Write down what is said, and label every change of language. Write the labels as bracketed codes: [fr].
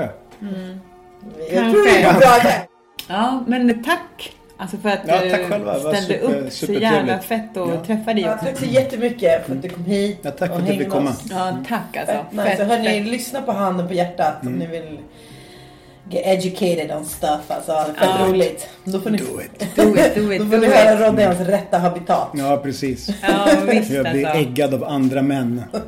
[sv] Jag kanske. Tror jag är bra. Ja, men tack. Alltså för att du ställde upp så jävla fett och träffa dig. Tack så jättemycket för att du kom hit. Ja, tack för att du ville komma. Ja, tack alltså. Fett, nice. Så hörni, lyssna på handen på hjärtat om ni vill... [en] Get educated on stuff, alltså. [sv] Fett roligt. Då får ni, [en] do it. [sv] Då får ni höra Rodda i hans rätta habitat. Ja, precis. Ja, visst alltså. Jag blir äggad av andra män.